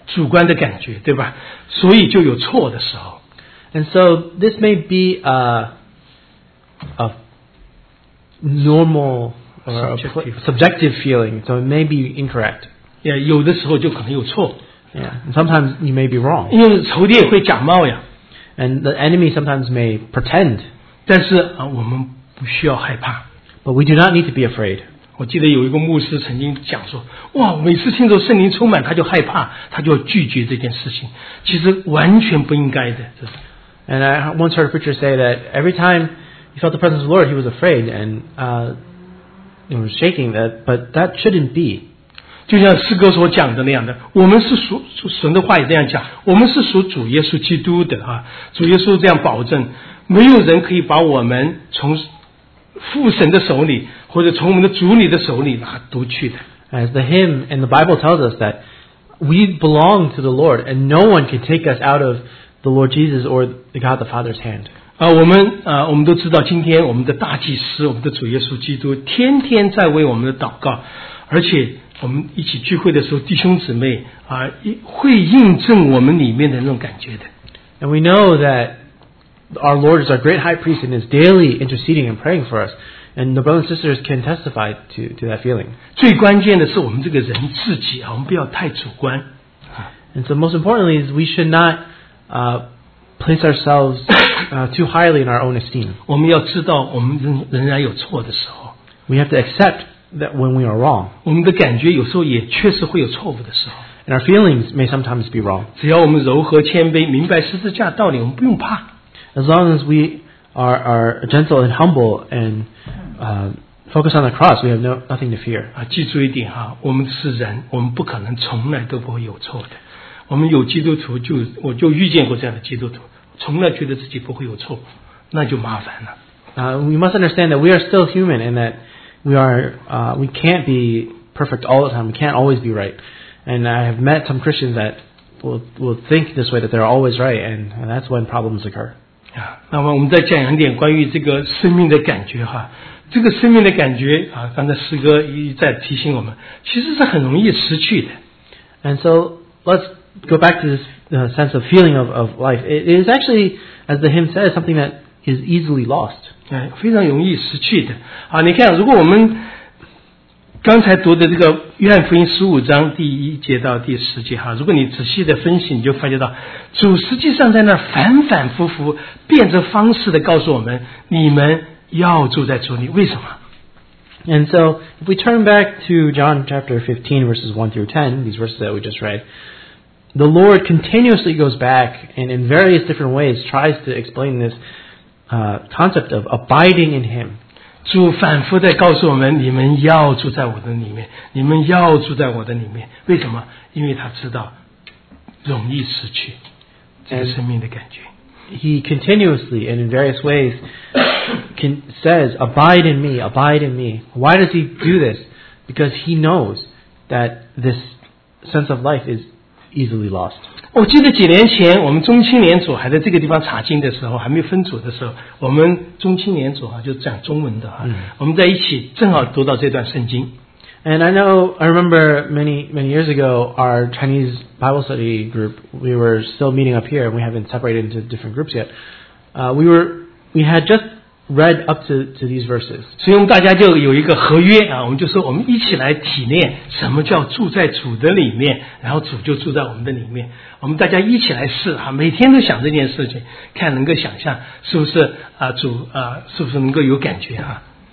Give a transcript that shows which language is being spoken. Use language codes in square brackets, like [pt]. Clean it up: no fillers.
[zh] 当然我们要说回来，既然是感觉，这是主观的感觉，对吧？所以就有错的时候。 [en] And so this may be a normal or subjective feeling, so it may be incorrect. Yeah, [zh] 有的时候就可能有错. [en] Yeah, and sometimes you may be wrong. [zh] 因为仇敌也会假冒呀. [en] And the enemy sometimes may pretend. [zh] 但是我们不需要害怕. [en] But we do not need to be afraid. [zh] 我记得有一个牧师曾经讲说，哇，每次听说圣灵充满，他就害怕，他就拒绝这件事情。其实完全不应该的。 [en] And I once heard a preacher say that every time he felt the presence of the Lord, he was afraid and he was shaking. That, but that shouldn't be. [zh] 就像诗歌所讲的那样的，我们是属神的话也这样讲，我们是属主耶稣基督的啊。主耶稣这样保证，没有人可以把我们从父神的手里，或者从我们的主你的手里拿夺去的。 [en] As the hymn and the Bible tells us that we belong to the Lord, and no one can take us out of the Lord Jesus or God the Father's hand. [zh] 我们都知道，今天我们的大祭司，我们的主耶稣基督，天天在为我们的祷告，而且我们一起聚会的时候，弟兄姊妹啊，会印证我们里面的那种感觉的。 [en] And we know that. Our Lord is our great high priest and is daily interceding and praying for us. And the brothers and sisters can testify to that feeling. [zh] 最关键的是我们这个人自己啊，我们不要太主观。 [en] And so most importantly is we should not place ourselves too highly in our own esteem. [zh] 我们要知道我们仍然有错的时候。 [en] We have to accept that when we are wrong. [zh] 我们的感觉有时候也确实会有错误的时候。 [en] And our feelings may sometimes be wrong. [zh] 只要我们柔和谦卑，明白十字架道理，我们不用怕。 [en] As long as we are gentle and humble and focus on the cross, we have nothing to fear. [zh] 记住一点哈，我们是人，我们不可能从来都不会有错的。我们有基督徒就，我就遇见过这样的基督徒，从来觉得自己不会有错，那就麻烦了。 [en] We must understand that we are still human and that we can't be perfect all the time. We can't always be right. And I have met some Christians that will think this way, that they're always right, and that's when problems occur. [zh] 那么我们再讲一点关于这个生命的感觉哈，这个生命的感觉啊，刚才诗歌一再提醒我们，其实是很容易失去的。 [en] And so let's go back to this sense of feeling of life. It is actually, as the hymn says, something that is easily lost. [zh] 非常容易失去的。啊，你看，如果我们刚才读的这个约翰福音十五章第一节到第十节哈，如果你仔细的分析，你就发觉到主实际上在那反反复复变着方式的告诉我们，你们要住在主里，为什么？ [en] And so if we turn back to John chapter 15 verses 1 through 10, these verses that we just read, the Lord continuously goes back and in various different ways tries to explain this concept of abiding in Him. [zh] 主反复在告诉我们，你们要住在我的里面，你们要住在我的里面。为什么？因为他知道容易失去这个生命的感觉。 [en] He continuously and in various ways says, "Abide in me, abide in me." Why does he do this? Because he knows that this sense of life is easily lost. [zh] 我记得几年前，我们中青年组还在这个地方查经的时候，还没分组的时候，我们中青年组就讲中文的哈，我们在一起正好读到这段圣经。 [en] And I remember many years ago, our Chinese Bible study group, we were still meeting up here, and we haven't separated into different groups yet. We had just read up to these verses. [zh] 所以我们大家就有一个合约啊，我们就说我们一起来体验什么叫住在主的里面，然后主就住在我们的里面。我们大家一起来试啊，每天都想这件事情，看能够想象是不是啊主啊是不是能够有感觉啊。